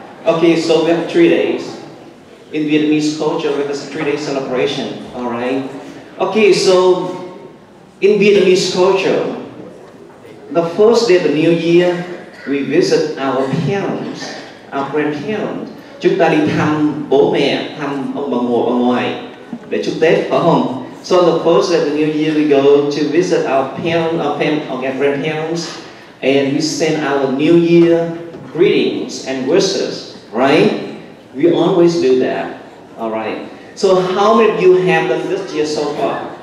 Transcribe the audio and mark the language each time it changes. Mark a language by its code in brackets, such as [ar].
[en] Okay, so we have 3 days. In Vietnamese culture, we have a 3-day celebration, alright? Okay, so in Vietnamese culture, the first day of the new year, we visit our parents, our grandparents. [vi] Chúng ta đi thăm bố mẹ, thăm ông bà ngoại, để chúc Tết, phải không? [en] So the first day of the new year, we go to visit our parents, our grandparents. And we send our New Year greetings and wishes, right? We always do that. All right. So how many of you have them this year so far?